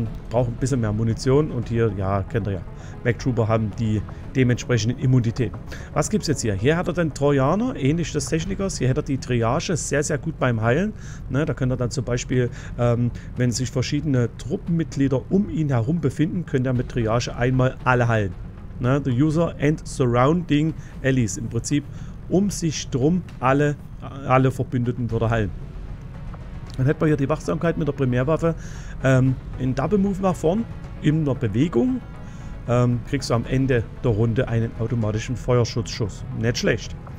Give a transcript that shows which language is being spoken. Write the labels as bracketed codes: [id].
[de] Braucht ein bisschen mehr Munition. Und hier, ja, kennt ihr ja. MechTrooper haben die dementsprechende Immunität. Was gibt es jetzt hier? Hier hat er den Trojaner, ähnlich des Technikers. Hier hat er die Triage, sehr, sehr gut beim Heilen. Ne, da könnt ihr dann zum Beispiel, wenn sich verschiedene Truppenmitglieder um ihn herum befinden, könnt ihr mit Triage einmal alle heilen. [en] Ne, the user and surrounding allies. [de] Im Prinzip um sich drum alle Verbündeten würde heilen. Dann hätten wir hier die Wachsamkeit mit der Primärwaffe. In Double Move nach vorn, in der Bewegung. Kriegst du am Ende der Runde einen automatischen Feuerschutzschuss. Nicht schlecht.